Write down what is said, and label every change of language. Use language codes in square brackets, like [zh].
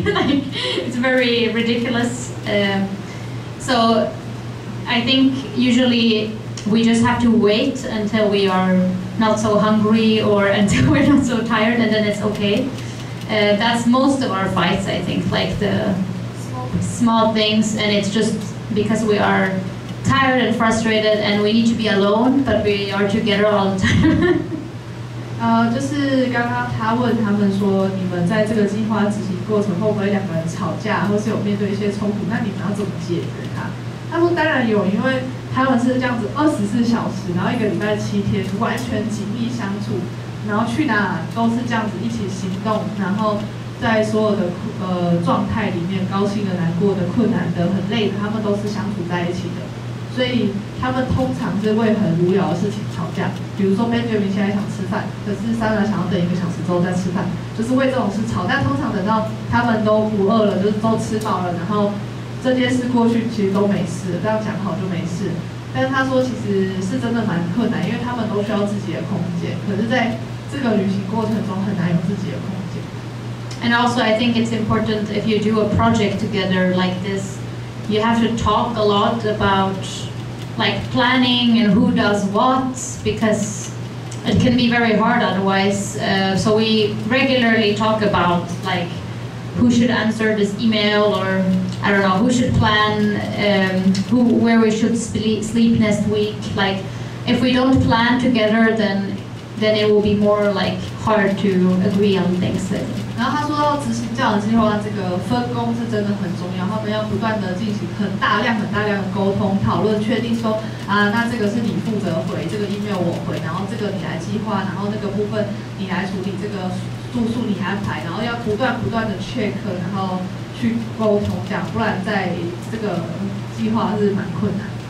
[en] Like, it's very ridiculous. So I think usually we just have to wait until we are not so hungry or until we're not so tired, and then it's okay. That's most of our fights, I think, like the small things, and it's just because we are tired and frustrated and we need to be alone, but we are together all the time. [zh] 就是刚刚他问他们说，你们在这个计划执行过程会不会两个人吵架，或是有面对一些冲突？那你们要怎么解决它？他说当然有，因为他们是这样子24小时，然后一个礼拜7天完全紧密相处，然后去哪都是这样子一起行动，然后在所有的状态里面，高兴的、难过的、困难的、很累的，他们都是相处在一起的。所以他们通常是为很无聊的事情吵架，比如说 Benjamin 现在想吃饭，可是 Sanna 想要等一个小时之后再吃饭，就是为这种事吵。但通常等到他们都不饿了，就是都吃饱了，然后这件事过去其实都没事，这样讲好就没事。但他说其实是真的蛮困难，因为他们都需要自己的空间，可是在这个旅行过程中很难有自己的空间。 [en] And also I think it's important if you do a project together like thisYou have to talk a lot about like planning and who does what, because it can be very hard otherwise. So we regularly talk about like who should answer this email, or I don't know, who should plan, where we should sleep next week. Like if we don't plan together, then it will be more like hard to agree on things. [zh] 然后他说到执行这样的计划，这个分工是真的很重要，他们要不断的进行很大量很大量的沟通讨论，确定说那这个是你负责回这个 email 我回，然后这个你来计划，然后那个部分你来处理，这个住宿你安排，然后要不断不断的 check， 然后去沟通这样，不然在这个计划是蛮困难。